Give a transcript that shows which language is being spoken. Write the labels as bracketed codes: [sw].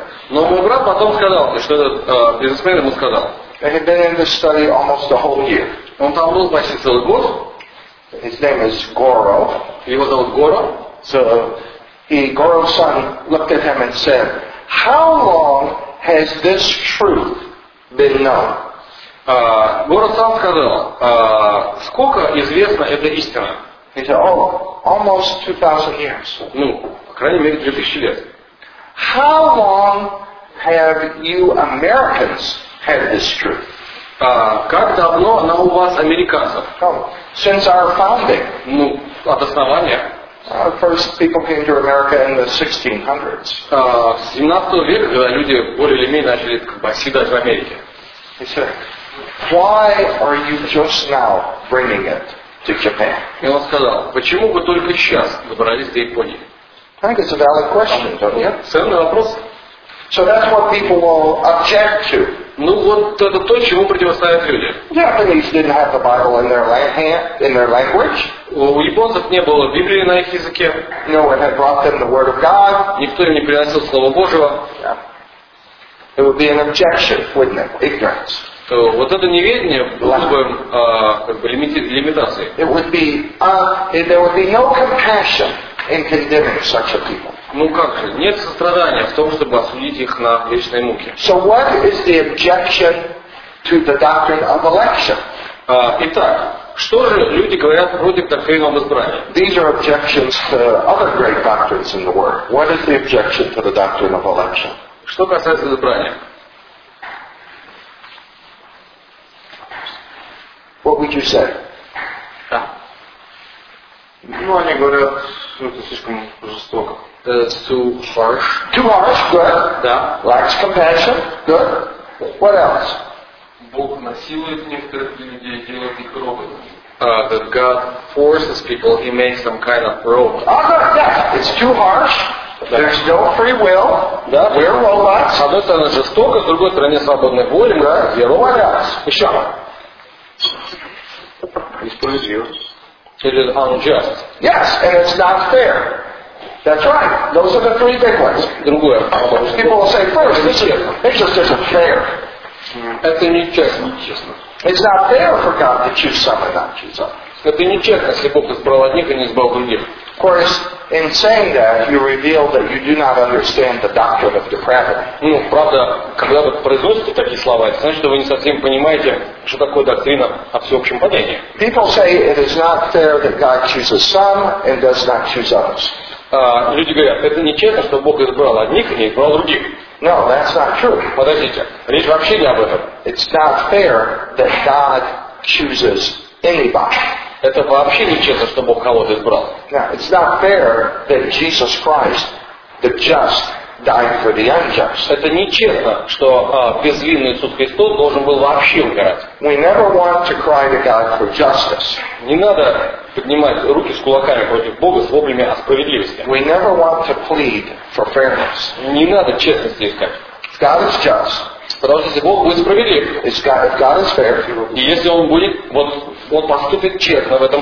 [ru] Но мой брат потом сказал, что этот бизнесмен ему сказал. [en] He had been in this study almost a whole year. [ru] Он там был почти целый год. [en] His name is Goro. [ru] Его зовут Goro. [en] So Goro-san looked at him and said, "How long has this truth been known?" [ru] Goro-san сказал, сколько известна эта истина? [en] He said, "Oh, almost 2,000 years." [ru] Ну, по крайней мере 2000 лет. [en] How long have you Americans had this truth? [ru] Как давно она у вас, американцев? [en] Since our founding. [ru] Ну, от основания. [en] First people came to America in the 1600s. [ru] В 17 веке, когда люди более или менее начали оседать в Америке. [en] He said, "Why are you just now bringing it to Japan?" [ru] И он сказал, почему вы только сейчас добрались до Японии? [en] I think it's a valid question, don't you? [ru] Ценный вопрос. [en] So that's what people will object to. [ru] Ну вот это то, чему противостоят люди. [en] Japanese didn't have the Bible in their language. [ru] У японцев не было Библии на их языке. [en] No one had brought them the Word of God. [ru] Никто им не приносил Слово Божьего. [en] Yeah. It would be an objection, wouldn't it? Ignorance. [ru] Вот это неведение было бы лимитацией. [en] It would be there would be no compassion in condemning such a people. [ru] Ну как же, нет сострадания в том, чтобы осудить их на вечной муке. [en] So what is the objection to the doctrine of election? [ru] Итак, что же люди говорят против доктрины об избрании? [en] These are objections to other great doctrines in the world. What is the objection to the doctrine of election? [ru] Что касается избрания? [en] What would you say? [ru] Ну, они говорят, что это слишком жестоко. [en] That's too harsh. Too harsh, good. [ru] Да. [en] Lacks compassion, good. What else? [ru] Бог насилует некоторых людей, делает их роботами. [en] That God forces people, he makes them kind of robot. Oh, good, yes. It's too harsh. There's no free will. [ru] Да. [en] We're robots. [ru] С одной стороны жестоко, с другой стороны свободной воли. Да. [en] We're robots. [ru] Еще. Несправедливо. [en] It is unjust. Yes, and it's not fair. That's right. Those are the three big ones. [ru] Другое. [en] People will say, first, this is just isn't fair. [ru] Это нечестно. [en] It's not fair for God to choose some and not choose others. [ru] Это нечестно, если Бог избрал одних и не избрал других. [en] Of course, In saying that, you reveal that you do not understand the doctrine of depravity. [ru] Ну, правда, когда вы произносите такие слова, это значит, что вы не совсем понимаете, что такое доктрина о всеобщем падении. [en] People say it is not fair that God chooses some and does not choose others. [ru] Люди говорят, это нечестно, что Бог избрал одних и не избрал других. [en] No, that's not true. [ru] Подождите, речь вообще не об этом. [en] It's not fair that God chooses anybody. [ru] Это вообще нечестно, что Бог кого-то избрал. [en] Now, it's not fair that Jesus Christ, the just, died for the unjust. [ru] Это нечестно, что безвинный Иисус Христос должен был вообще умирать. [en] We never want to cry to God for justice. [ru] Не надо поднимать руки с кулаками против Бога с воплями о справедливости. [en] We never want to plead for fairness. [ru] Не надо честности искать. [en] God is just. [ru] Потому что если Бог будет справедлив, [en] God is fair, [ru] и если Он будет, вот Он поступит честно в этом